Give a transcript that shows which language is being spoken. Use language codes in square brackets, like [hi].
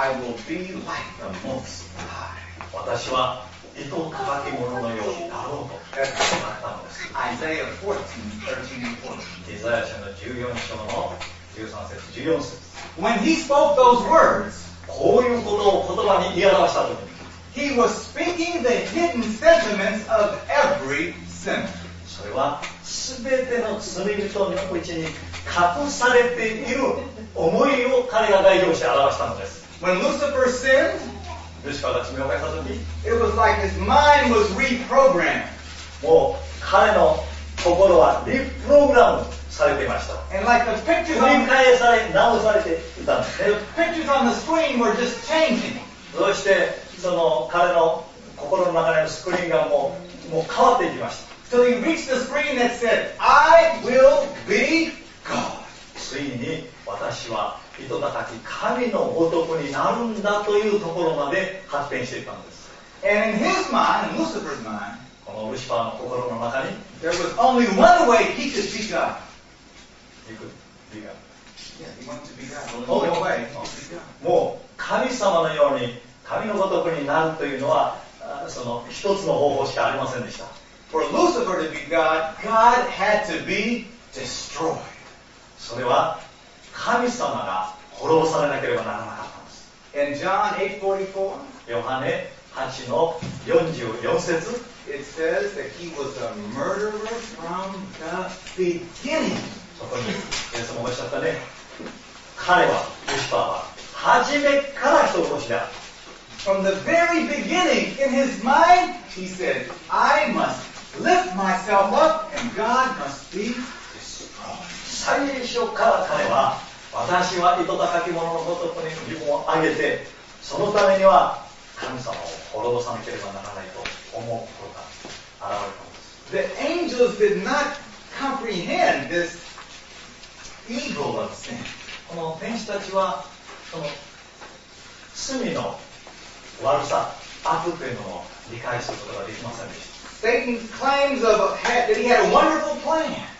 [en] 。 I will be like the most high. [ja] 私は糸をかかき者のようになろうと思ったのです。 [en] Isaiah 14, 13 and 14. [ja] イザヤ書の14章の13節、14節。 [en] When he spoke those words, [ja] こういうことを言葉に言い表したときに、 [en] he was speaking the hidden sentiments of every sinner. [ja] それは全ての罪人のうちに隠されている思いを彼が代表して表したのです。 [en] When Lucifer sinned, [ja] ルシファーが罪を犯した時、 [en] it was like his mind was reprogrammed. [ja] もう彼の心はリプログラムされていました。 [en] And like the pictures, [ja] 繰り返され直されていたんです。 [en] The pictures on the screen were just changing. [ja] そしてその彼の心の中でのスクリーンがもう変わっていきました。 [en] So he reached the screen that said, I will be God. [ja] ついに私は糸高き神の男になるんだというところまで発展していたんです。 [en] And in his mind, Lucifer's mind, [ja] このルシファーの心の中に、 [en] there was only one way he could be God. He could be God. Yeah, he wanted to be God. Only one way. [ja] もう神様のように神の男になるというのは、その一つの方法しかありませんでした。 [en] For Lucifer to be God, God had to be destroyed. [ja] それは神様が滅ぼされなければならなかったんです。 [en] In John 8:44, [ja] ヨハネ8の44節、 [en] it says that he was a murderer from the beginning. [ja] そこに、イエス様がおっしゃったね。彼は、ルシファーは、初めから人殺しだ。 [en] From the very beginning, in his mind, he said, I must lift myself up and God must be destroyed. [ja] 最初から彼は、私は糸高き者のごとくに自分を上げて、そのためには神様を滅ぼさなければならないと思うことが現れたんです。 [en] The angels did not comprehend this evil of sin. [ja] この天使たちは、その罪の悪さ、悪というのを理解することができませんでした。 [en] Satan claims of, that he had a wonderful plan.